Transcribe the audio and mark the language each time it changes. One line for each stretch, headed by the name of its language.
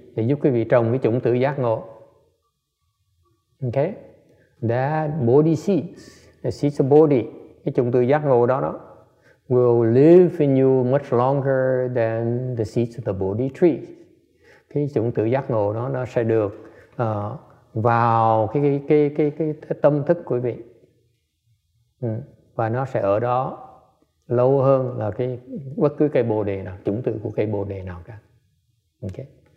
Vietnamese: Để giúp quý vị trồng cái chủng tử giác ngộ.
English: Okay? That Bodhi seeds, the seeds of Bodhi,
Vietnamese: cái chủng tử giác ngộ đó,
English: will live in you much longer than the seeds of the Bodhi tree.
Vietnamese: Cái chủng tử giác ngộ đó, nó sẽ được vào cái tâm thức của quý vị. Và nó sẽ ở đó lâu hơn là cái bất cứ cây Bồ đề nào, chủng tử của cây Bồ đề nào cả.
English: Okay.